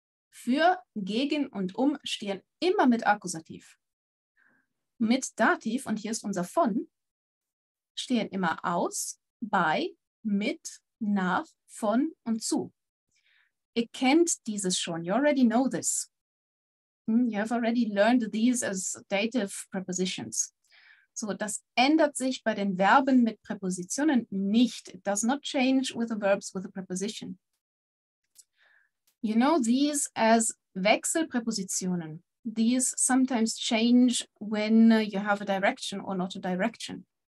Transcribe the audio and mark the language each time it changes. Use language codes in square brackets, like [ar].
[de] Für, gegen und um stehen immer mit Akkusativ. Mit Dativ, und hier ist unser von, stehen immer aus, bei, mit, nach, von und zu. Ihr kennt dieses schon. [en] You already know this. You have already learned these as dative prepositions. [de] So, das ändert sich bei den Verben mit Präpositionen nicht. [en] It does not change with the verbs with a preposition. You know these as Wechselpräpositionen. These sometimes change when you have a direction or not a direction.